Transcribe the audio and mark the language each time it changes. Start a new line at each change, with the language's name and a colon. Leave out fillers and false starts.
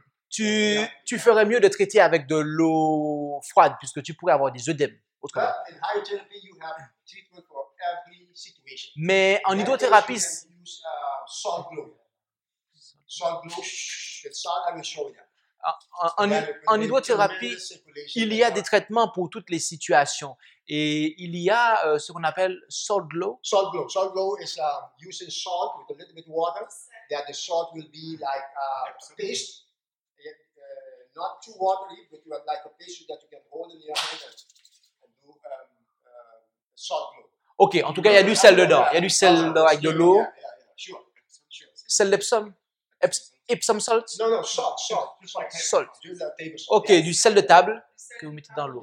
French: Tu ferais mieux de traiter avec de l'eau froide puisque tu pourrais avoir des œdèmes. Autrement.
English: But in hydrotherapy, you have treatment for every situation.
French: Mais en hydrothérapie,
English: salt glow. Salt glow.
French: En hydrothérapie, il y a des traitements pour toutes les situations et il y a ce qu'on appelle salt glow.
English: Salt glow. Salt glow is using salt with a little bit of water that the salt will be like paste. Not too watery, but you have like a paste that you can hold in your hand and do salt glow.
French: Okay, en tout cas, il y a du sel dedans. Il y a du sel avec de l'eau.
English: Sure.
French: Sel d'Epsom. Epsom salt?
English: No, salt. Salt. Table.
French: Ok, yeah. Du sel de table que vous mettez dans l'eau.